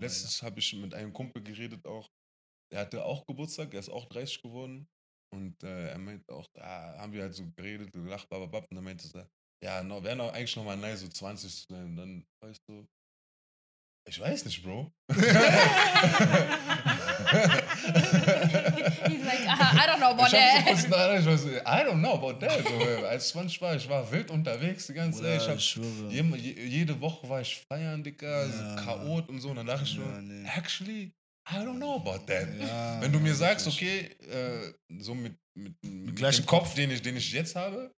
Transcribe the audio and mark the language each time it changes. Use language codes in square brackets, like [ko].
[de] Letztens habe ich mit einem Kumpel geredet auch. Er hatte auch Geburtstag, er ist auch 30 geworden. Und er meinte auch, da haben wir halt so geredet, gelacht, bababab. Und dann meinte er, ja, wäre noch eigentlich nochmal nice, so 20 zu sein. Und dann weißt du, ich weiß nicht, Bro. [en] He's like, I don't know about that. [de] So, als 20 war, ich war wild unterwegs die ganze Zeit. Jede Woche war ich feiern, Dicker, ja, so Chaot und so. Und dann dachte ich nur, [en] actually, I don't know about that. [de] Ja, wenn du mir sagst, okay, so mit gleichen dem Kopf, den ich jetzt habe.